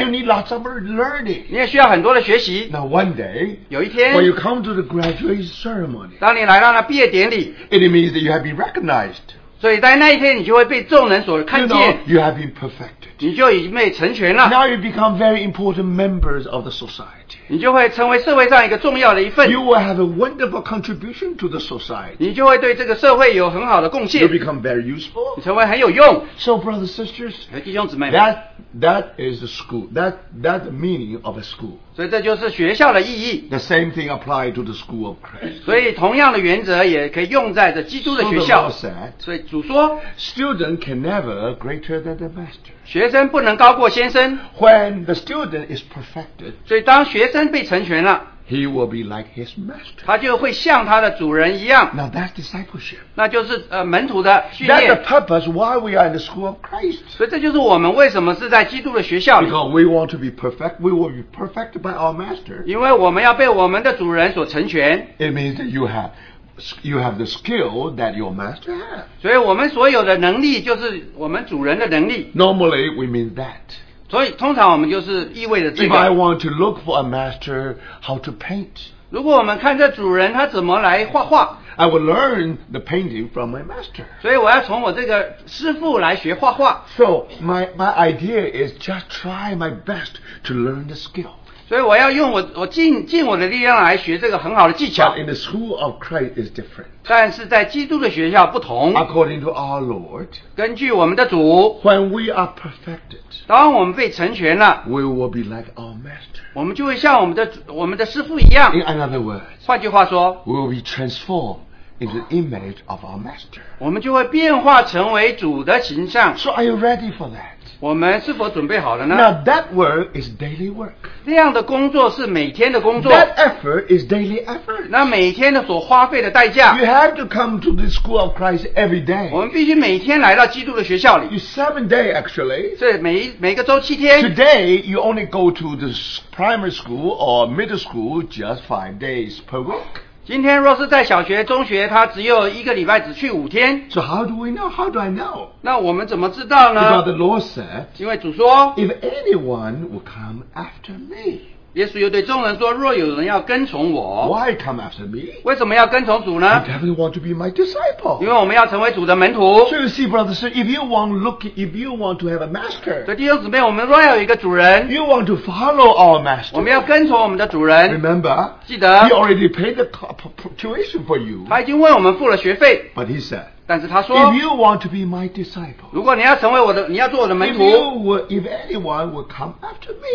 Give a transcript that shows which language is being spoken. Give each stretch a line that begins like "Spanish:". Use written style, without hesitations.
English: You need lots of learning.
Chinese: 你也需要很多的学习。
English: Now one day,
Chinese: 有一天,
English: when you come to the graduation ceremony,
Chinese: 当你来到那毕业典礼,
English: it means that you have been recognized.
Chinese: 所以在那一天你就会被众人所看见。
English: You know, you have been perfected.
Chinese: 你就已经被成全了。
English: Now you become very important members of the society.
Chinese: 你就会成为社会上一个重要的一份。
English: You will have a wonderful contribution to the society.
Chinese: 你就会对这个社会有很好的贡献。
English: You become very useful.
Chinese: 你成为很有用。
English: So brothers and sisters,
Chinese: 弟兄姊妹,
English: that is the school. That's the meaning of a school.
Chinese: 所以这就是学校的意义。
English: The same thing applied to the school of Christ.
Chinese: 所以同样的原则也可以用在这基督的学校。
English: So the Lord said,
Chinese: 所以主说,
English: student can never greater than the master.
Chinese: 学生不能高过先生。
English: When the student is perfected,
Chinese: 所以当学生被成全了,
English: he will be like his master.
Chinese: 他就会像他的主人一样。
English: Now that's discipleship.
Chinese: 那就是, 门徒的训练。
English: That's the purpose why we are in the school of Christ.
Chinese: 所以这就是我们为什么是在基督的学校里。
English: Because we want to be perfect, we will be perfected by our master.
Chinese: 因为我们要被我们的主人所成全。
English: It means that you have the skill that your master has.
Chinese: 所以我们所有的能力就是我们主人的能力。
English: Normally, we mean that.
Chinese: 所以通常我们就是意味着这个。
English: If I want to look for a master how to paint,
Chinese: 如果我们看这主人他怎么来画画,
English: I will learn the painting from my master.
Chinese: 所以我要从我这个师父来学画画。
English: So my idea is just try my best to learn the skill.
Chinese: 所以我要用我尽我的力量来学这个很好的技巧。
English: But in the school of Christ is different.
Chinese: 但是在基督的学校不同。
English: According to our Lord,
Chinese: 根据我们的主,
English: when we are perfected,
Chinese: 当我们被成全了,
English: we will be like our master.
Chinese: 我们就会像我们的师父一样。
English: In other words,
Chinese: 换句话说,
English: we will be transformed in the image of our master.
Chinese: 我们就会变化成为主的形象。
English: So are you ready for that?
Chinese: 我们是否准备好了呢?
English: Now that work is daily work.
Chinese: 这样的工作是每天的工作。
English: That effort is daily effort.
Chinese: 那每天的所花费的代价。
English: You have to come to the school of Christ every day.
Chinese: 我们必须每天来到基督的学校里。
English: It's 7 days actually.
Chinese: 是每一个周7天。
English: Today you only go to the primary school or middle school just 5 days per week.
Chinese: 今天若是在小学、中学，他只有一个礼拜只去5天。
English: So how do we know? How do I know?
Chinese: 那我们怎么知道呢?
English: Because the Lord said,
Chinese: 因为主说,
English: if anyone will come after me,
Chinese: 耶稣又对众人说，若有人要跟从我,
English: why come after me?
Chinese: 为什么要跟从主呢?
English: I definitely want to be my disciple.
Chinese: 因为我们要成为主的门徒。
English: So you see, brothers, if you want look, if you want to have a master,
Chinese: 弟兄姊妹，我们若要有一个主人,
English: you want to follow our master.
Chinese: 我们要跟从我们的主人。
English: Remember,
Chinese: 记得,
English: he already paid the tuition for you.
Chinese: 他已经为我们付了学费。
English: But he said,
Chinese: 但是他说,
English: if you want to be my disciple,
Chinese: 如果你要成为我的, 你要做我的门徒,
English: if anyone will come after me,